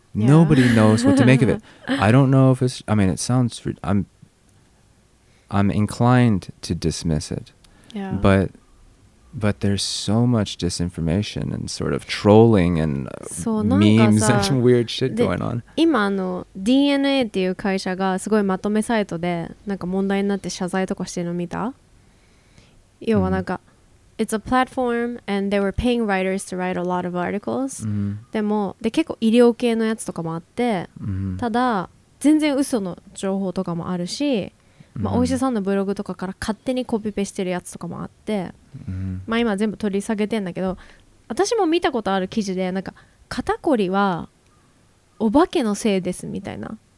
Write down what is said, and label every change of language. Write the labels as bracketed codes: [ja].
[en] Yeah. Nobody knows what to make of it. I don't know if it's... I mean, it sounds... I'm inclined to dismiss it. Yeah. But there's so much disinformation and sort of trolling and memes and some weird shit going on. [ja] 今の DNA っていう会社がすごいまとめサイトでなんか問題になって謝罪とかしてるの見た? 要はなんか、mm-hmm. [en] It's a platform and they were paying writers to write a lot of articles、 mm-hmm. [ja] でもで結構医療系のやつとかもあって、 mm-hmm. ただ全然嘘の情報とかもあるし、mm-hmm. まあ、お医者さんのブログとかから勝手にコピペしてるやつとかもあって、 mm-hmm. まあ今全部取り下げてんだけど私も見たことある記事でなんか肩こりはお化けのせいですみたいな、